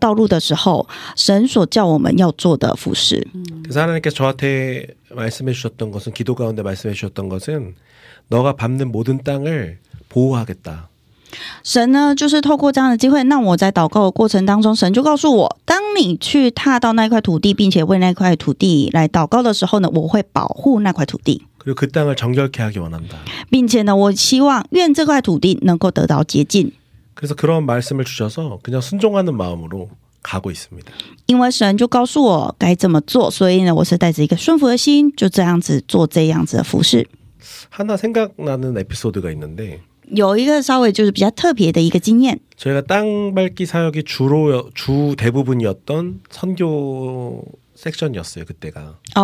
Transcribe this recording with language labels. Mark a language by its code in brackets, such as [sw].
[zh] 第三个行走服事这个祷告呢，是神叫我们再次踏上这个宣教这块这条道路的时候，神所叫我们要做的服事。 [ko] 그래서 하나님께서 저한테 말씀해 주셨던 것은 기도 가운데 말씀해 주셨던 것은 너가 밟는 모든 땅을 보호하겠다. [zh] 神呢，就是透过这样的机会，让我在祷告的过程当中，神就告诉我，当你去踏到那块土地，并且为那块土地来祷告的时候呢，我会保护那块土地。 [ko] 그리고 그 땅을 정결케 하기 원한다. [zh] 并且呢，我希望愿这块土地能够得到洁净。 [ko] 그래서 그런 말씀을 주셔서 그냥 순종하는 마음으로 가고 있습니다. [zh] 因为神就告诉我该怎么做，所以呢，我是带着一个顺服的心，就这样子做这样子的服事。 [ko] 하나 생각나는 에피소드가 있는데. [zh] 有一个稍微就是比较特别的一个经验。 [ko] 저희가 땅 밟기 사역이 주로 주 대부분이었던 선교 섹션이었어요 그때가.